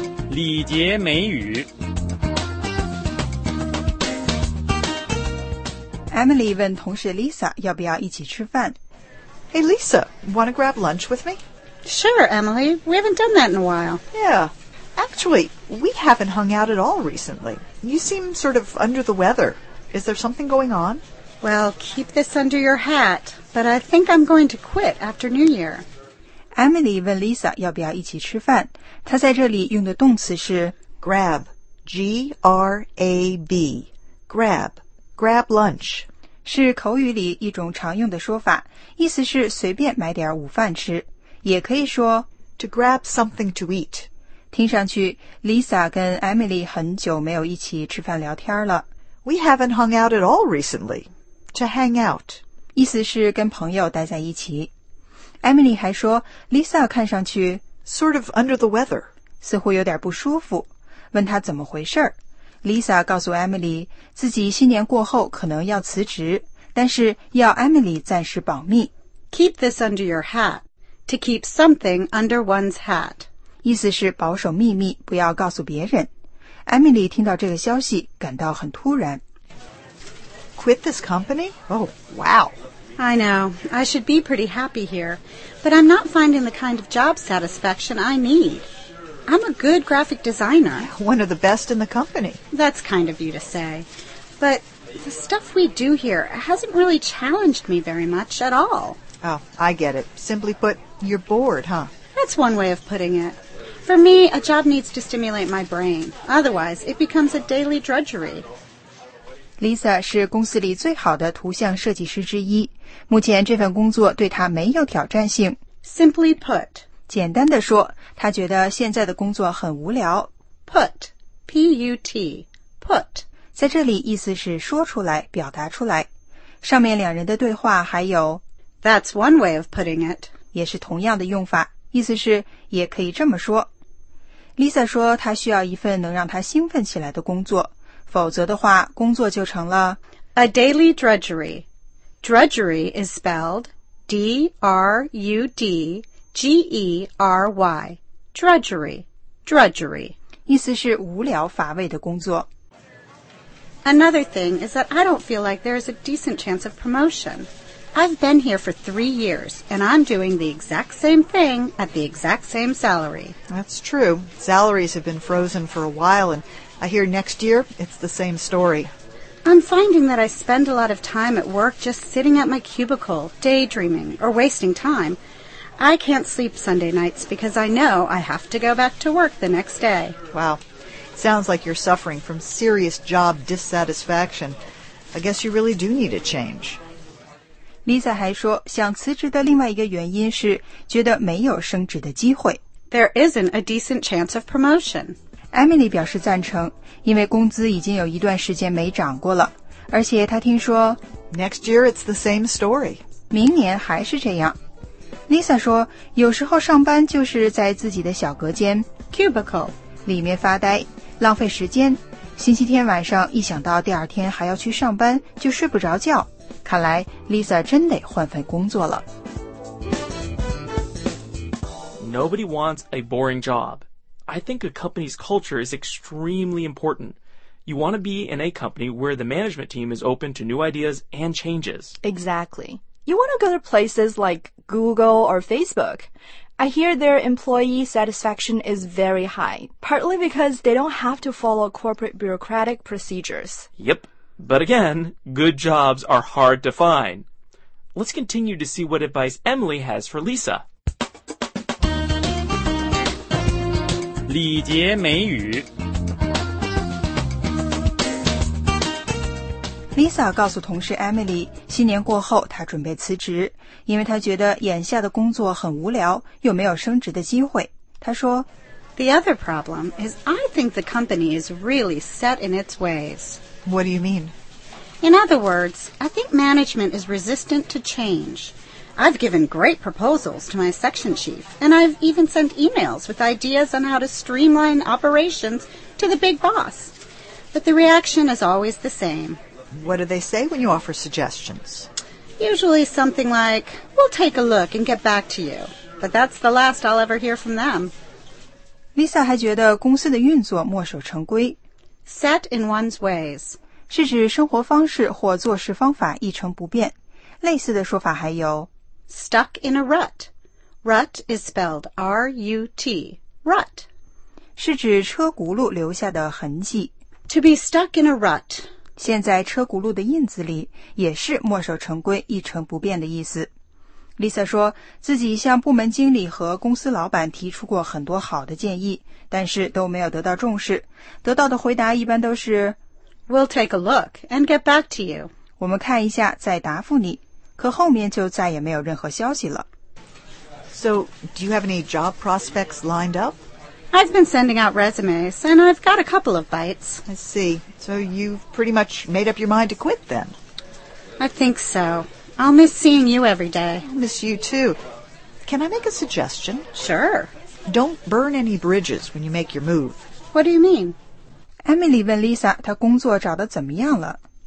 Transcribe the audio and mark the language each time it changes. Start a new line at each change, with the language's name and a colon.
Chinese: 礼节美语。 Emily 问同事 Lisa 要不要一起吃饭。
English: Hey Lisa, wanna grab lunch with me? Sure, Emily. We haven't done that in a while. Yeah. Actually, we haven't hung out at all recently. You seem sort of under the weather. Is there something going on? Well, keep this under your hat, but I think I'm going to quit after New Year.
Chinese: Emily 问 Lisa 要不要一起吃饭。她在这里用的动词是
English: grab, G-R-A-B, grab, grab lunch.
Chinese: 是口语里一种常用的说法，意思是随便买点午饭吃。也可以说
English: to grab something to eat.
Chinese: 听上去 Lisa 跟 Emily 很久没有一起吃饭聊天了。
English: We haven't hung out at all recently. To hang out.
Chinese: 意思是跟朋友待在一起。Emily 还说 Lisa 看上去
English: sort of under the weather.
Chinese: 似乎有点不舒服。问她怎么回事。 Lisa 告诉 Emily 自己新年过后可能要辞职，但是要 Emily 暂时保密。
English: Keep this under your hat. To keep something under one's hat.
Chinese: 意思是保守秘密，不要告诉别人。Emily 听到这个消息，感到很突然。
English: Quit this company? Oh, wow. I know. I should be pretty happy here. But I'm not finding the kind of job satisfaction I need. I'm a good graphic designer. One of the best in the company. That's kind of you to say. But the stuff we do here hasn't really challenged me very much at all. Oh, I get it. Simply put, you're bored, huh? That's one way of putting it. For me, a job needs to stimulate my brain. Otherwise, it becomes a daily drudgery.
Chinese: Lisa 是公司里最好的图像设计师之一。目前这份工作对她没有挑战性。
English: Simply put.
Chinese: 简单地说，她觉得现在的工作很无聊。
English: Put. P-U-T. Put.
Chinese: 在这里意思是说出来，表达出来。上面两人的对话还有
English: That's one way of putting it.
Chinese: 也是同样的用法，意思是也可以这么说。 Lisa 说她需要一份能让她兴奋起来的工作，否则的话工作就成了
English: A daily drudgery. Drudgery is spelled D-R-U-D-G-E-R-Y. Drudgery. Drudgery.
Chinese: 意思是无聊乏味的工作。
English: Another thing is that I don't feel like there is a decent chance of promotion. I've been here for 3 years, and I'm doing the exact same thing at the exact same salary. That's true. Salaries have been frozen for a while, and I hear next year it's the same story. I'm finding that I spend a lot of time at work just sitting at my cubicle, daydreaming, or wasting time. I can't sleep Sunday nights because I know I have to go back to work the next day. Wow. Sounds like you're suffering from serious job dissatisfaction. I guess you really do need a change.
Chinese: Lisa 还说想辞职的另外一个原因是觉得没有升职的机会。
English: there isn't a decent chance of promotion.
Chinese: Emily 表示赞成，因为工资已经有一段时间没涨过了，而且她听说
English: Next year it's the same story.
Chinese: 明年还是这样。 Lisa 说，有时候上班就是在自己的小隔间
English: cubicle
Chinese: 里面发呆，浪费时间。星期天晚上一想到第二天还要去上班，就睡不着觉。看来 Lisa 真得换份工作了。 Nobody wants a boring job. I think a company's culture is extremely important. You want to be in a company where the management team is open to new ideas and changes. Exactly. You want to go to places like Google or Facebook. I hear their employee satisfaction is very high, partly because they don't have to follow corporate bureaucratic procedures. Yep. But again, good jobs are hard to find. Let's continue to see what advice Emily has for Lisa. 礼节美语 Lisa 告诉同事 Emily, 新年过后她准备辞职。因为他觉得眼下的工作很无聊，又没有升职的机会。他说
English: The other problem is I think the company is really set in its ways. What do you mean? In other words, I think management is resistant to change. I've given great proposals to my section chief, and I've even sent emails with ideas on how to streamline operations to the big boss. But the reaction is always the same. What do they say when you offer suggestions? Usually something like, we'll take a look and get back to you. But that's the last I'll ever hear from them.
Chinese: Lisa 还觉得公司的运作墨守成规。
English: Set in one's ways.
Chinese: 是指生活方式或做事方法一成不变。类似的说法还有
English: Stuck in a rut. Rut is spelled R-U-T. Rut.
Chinese: 是指车轱辘留下的痕迹。
English: To be stuck in a rut.
Chinese: 现在车轱辘的印子里也是墨守成规一成不变的意思。 Lisa 说自己向部门经理和公司老板提出过很多好的建议，但是都没有得到重视。得到的回答一般都是
English: We'll take a look and get back to you.
Chinese: 我们看一下再答复你。可后面就再也没有任何消息了。
English: So, do you have any job prospects lined up? I've been sending out resumes, and I've got a couple of bites. I see. So you've pretty much made up your mind to quit, then? I think so. I'll miss seeing you every day. I'll miss you, too. Can I make a suggestion? Sure. Don't burn any bridges when you make your move. What do you mean?
Chinese: Emily 问 Lisa 她工作找得怎么样了。